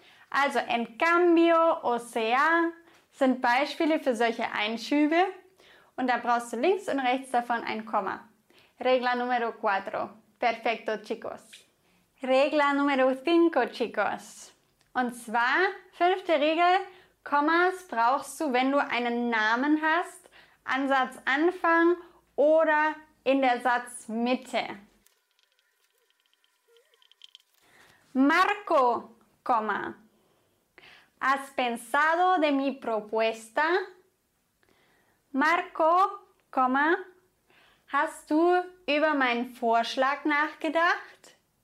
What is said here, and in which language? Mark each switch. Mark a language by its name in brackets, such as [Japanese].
[German] Also [Spanish] en cambio, o sea, [German] sind Beispiele für solche Einschübe. Und da brauchst du links und rechts davon ein Komma. [Spanish] Regla número cuatro. Perfecto, chicos. Regla número cinco, chicos. [German] Und zwar, fünfte Regel, Kommas brauchst du, wenn du einen Namen hast, an Satzanfang oder in der Satzmitte. [Spanish] Marco, ¿has pensado de mi propuesta? [German] Marco, [Spanish] ¿has tú [German] über meinen Vorschlag nachgedacht?